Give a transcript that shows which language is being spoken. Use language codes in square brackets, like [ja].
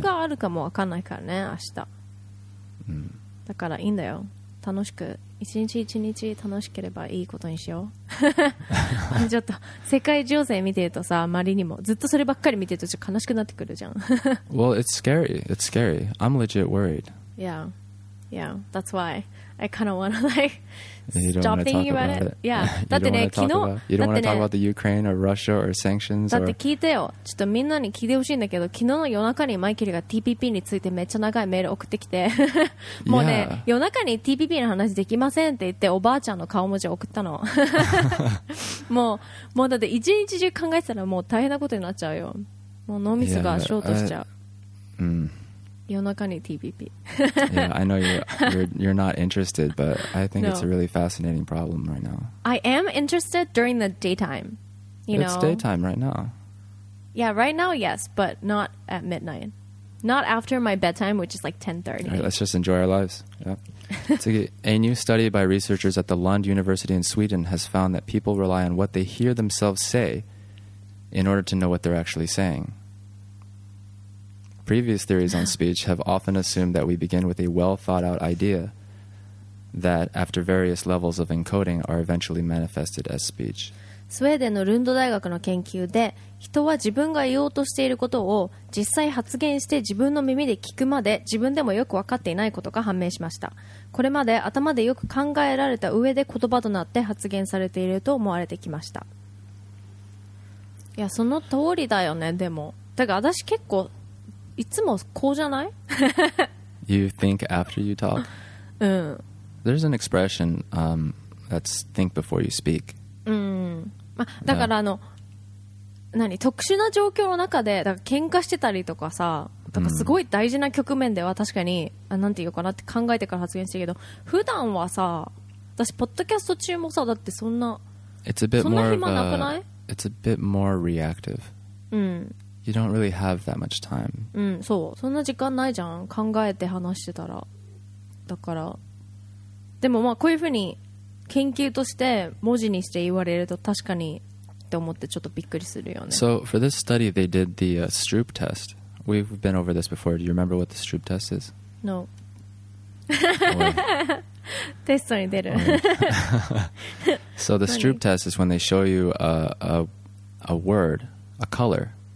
[ja] があるかもわかんないからね、明日。だからいいんだよ。楽しく一日一日楽しければいいことにしようちょっと世界情勢見てるとさあまりにもずっとそればっかり見てるとちょっと悲しくなってくるじゃん [en] Well, it's scary. I'm legit worried. Yeah. That's why I kind of want to stop thinking about it. Yeah. [ja] だってね、昨日、 [en] You don't want to talk about the Ukraine or Russia or sanctions? [ja] だって聞いてよ。ちょっとみんなに聞いてほしいんだけど、昨日の夜中にマイケルが TPP についてめっちゃ長いメール送ってきて、もうね、夜中に TPP の話できませんって言って、おばあちゃんの顔文字送ったの。もうだって一日中考えてたらもう大変なことになっちゃうよ。もう脳みそがショートしちゃう。夜中に TPP [en] Yeah, I know you're not interested, but I think it's a really fascinating problem right now. I am interested during the daytime, you know. It's daytime right now. Yeah, right now, yes, but not at midnight. Not after my bedtime, which is like 10:30. All right, let's just enjoy our lives. Yeah. A new study by researchers at the Lund University in Sweden has found that people rely on what they hear themselves say in order to know what they're actually saying. Previous theories on speech have often assumed that we begin with a well-thought-out idea that, after various levels of encoding, are eventually manifested as speech. [ja] スウェーデンのルンド大学の研究で、人は自分が言おうとしていることを実際発言して自分の耳で聞くまで自分でもよく分かっていないことが判明しました。これまで頭でよく考えられた上で言葉となって発言されていると思われてきました。いや、その通りだよね、でも。だから私結構、いつもこうじゃない [en] ?You think after you talk? [ja] うん。 [en] There's an expression, that's think before you speak. [ja] まあ、だからあの、yeah. 何特殊な状況の中でだから喧嘩してたりとかさ、だからすごい大事な局面では確かに、mm. あなんて言うかなって考えてから発言してるけど、普段はさ、私ポッドキャスト中もさ、だってそんな [en] It's a bit [ja] そんな暇なくない？ [en] It's a bit more reactive、 [ja] うん、 [en] You don't really have that much time、 [ja] うん、そう、そんな時間ないじゃん、考えて話してたら。だからでもまあこういう風に研究として文字にして言われると確かにって思ってちょっとびっくりするよね。 [en] So for this study they did the Stroop test. We've been over this before. Do you remember what the Stroop test is? No. [ja] テストに出る。 [en] So the Stroop test is when they show you a word, a color.